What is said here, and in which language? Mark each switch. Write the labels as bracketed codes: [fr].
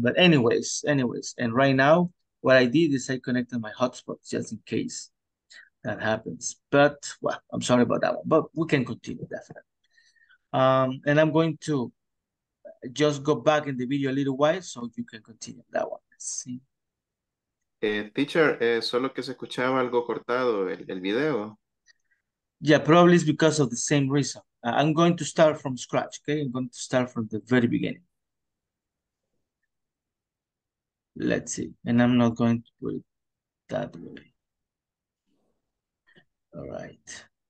[en] But anyways, and right now, what I did is I connected my hotspots just in case that happens. But, well, I'm sorry about that one. But we can continue, definitely. And I'm going to just go back in the video a little while so you can continue that one. Let's see. [es] Teacher, solo que se escuchaba algo cortado el video. [en] Yeah, probably it's because of the same reason. I'm going to start from scratch, okay? I'm going to start from the very beginning. Let's see. And I'm not going to put it that way. All right.